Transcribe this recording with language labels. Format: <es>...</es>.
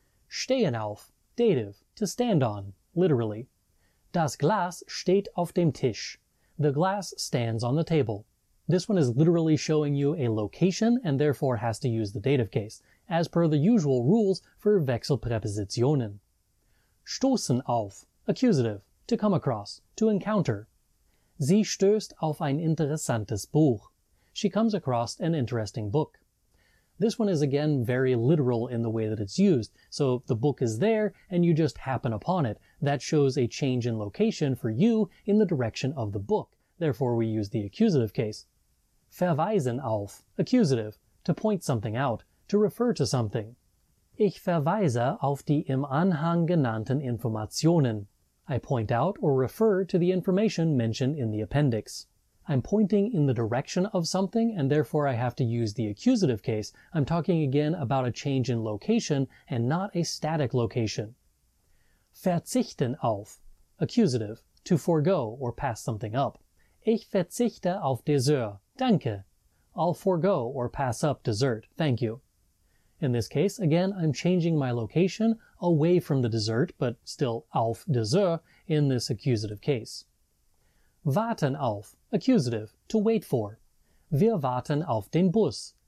<de>Stehen auf,</de> <en>dative, to stand on, literally.</en> <de>Das Glas steht auf dem Tisch.</de> <en>The glass stands on the table. This one is literally showing you a location and therefore has to use the dative case, as per the usual rules for Wechselpräpositionen.</en> <de>Stoßen auf,</de> <en>accusative, to come across, to encounter.</en> <de>Sie stößt auf ein interessantes Buch.</de> <en>She comes across an interesting book. This one is again very literal in the way that it's used, so the book is there and you just happen upon it. That shows a change in location for you in the direction of the book. Therefore, we use the accusative case.</en> <de>Verweisen auf,</de> <en>accusative, to point something out, to refer to something.</en> <de>Ich verweise auf die im Anhang genannten Informationen.</de> <en>I point out or refer to the information mentioned in the appendix. I'm pointing in the direction of something, and therefore I have to use the accusative case. I'm talking again about a change in location and not a static location.</en> <de>Verzichten auf,</de> <en>accusative, to forego or pass something up.</en> <de>Ich verzichte auf Dessert, danke.</de> <en>I'll forego or pass up dessert, thank you. In this case, again, I'm changing my location away from the dessert, but still</en> <de>auf Dessert</de> <en>in this accusative case.</en> <de>Warten auf,</de> <en>accusative, to wait for.</en> <de>Wir warten auf den Bus.</de>